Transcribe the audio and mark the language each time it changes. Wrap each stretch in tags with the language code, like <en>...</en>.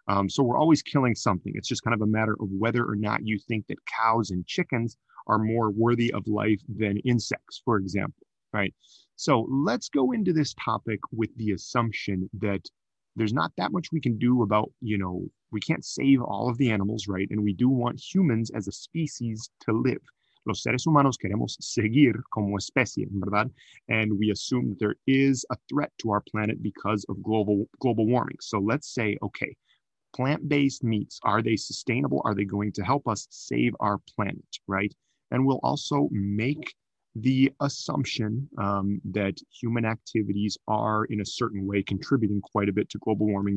<en>So we're always killing something. It's just kind of a matter of whether or not you think that cows and chickens are more worthy of life than insects, for example, right? So let's go into this topic with the assumption that there's not that much we can do about, we can't save all of the animals, right? And we do want humans as a species to live.</en> <es>Los seres humanos queremos seguir como especie, ¿verdad?</es> <en>And we assume there is a threat to our planet because of global warming. So let's say, okay, plant-based meats, are they sustainable? Are they going to help us save our planet, right? And we'll also make the assumption that human activities are in a certain way contributing quite a bit to global warming.</en>